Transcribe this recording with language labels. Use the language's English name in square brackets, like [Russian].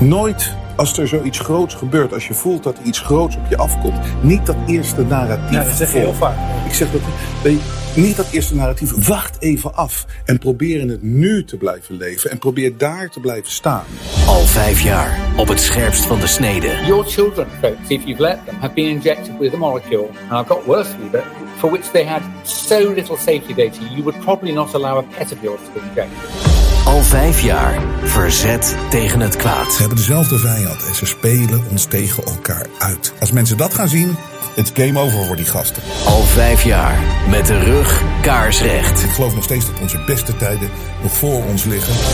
[Dutch] Nooit als er zoiets groots gebeurt, als je voelt dat iets groots op je afkomt... niet dat eerste narratief... Nou, dat zeg je heel vaak. Ik zeg dat... Niet dat eerste narratief, wacht even af en probeer in het nu te blijven leven en probeer daar te blijven staan. Al 5 jaar, op het scherpst van de snede. [English] Your children, folks, if you've let them, have been injected with a molecule, and I've got worse for you, but for which they had so little safety data, you would probably not allow a pet of yours to be injected. [Dutch] Al 5 jaar, verzet tegen het kwaad. We hebben dezelfde vijand en ze spelen ons tegen elkaar uit. Als mensen dat gaan zien, het is game over voor die gasten. Al 5 jaar, met de rug kaarsrecht. Ik geloof nog steeds dat onze beste tijden nog voor ons liggen.